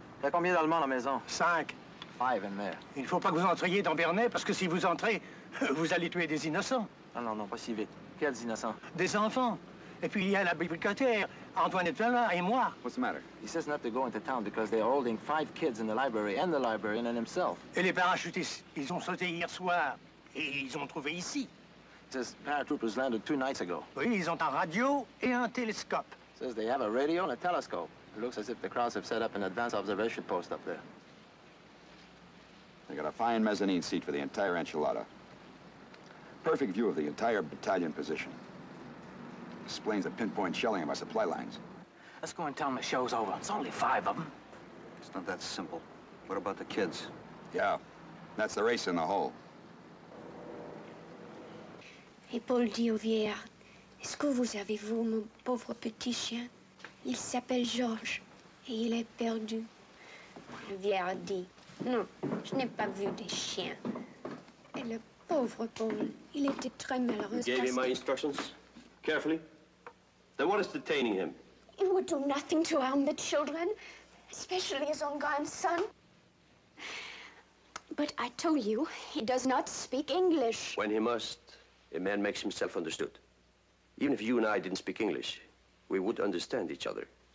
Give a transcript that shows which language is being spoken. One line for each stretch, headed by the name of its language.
French: Il y a combien d'Allemands à la maison? Cinq.
English: Five in there.
French: Il ne faut pas que vous entriez dans Bernay, parce que si vous entrez, vous allez tuer des innocents. Non, non, non, pas si vite. Quels innocents? Des enfants. Et puis il y a la bibliothécaire, Antoinette Valmar et moi.
English: What's the matter? He says not to go into town because they are holding five kids in the library and the librarian and himself.
French: Et les parachutistes, ils ont sauté hier soir. Et ils ont trouvé ici.
English: He says paratroopers landed two nights ago.
French: Oui, ils ont un radio et un télescope.
English: He says they have a radio and a telescope. It looks as if the crowds have set up an advanced observation post up there. They got a fine mezzanine seat for the entire enchilada. Perfect view of the entire battalion position. Explains the pinpoint shelling of our supply lines. Let's go and tell them the show's over. It's only five of them. It's not that simple. What about the kids? Yeah. That's the race in the hole.
French: Paul dit au vieillard, est-ce que vous avez vu mon pauvre petit chien? Il s'appelle Georges et il est perdu. Le vieillard dit, non, je n'ai pas vu des chiens. Et le pauvre Paul, il était très malheureux.
English: You gave him my instructions? Carefully? Then what is detaining him? He would do nothing to harm the children, especially his own grandson. But I told you, he does not speak English. When he must. A man makes himself understood. Even if you and I didn't speak English, we would understand each other.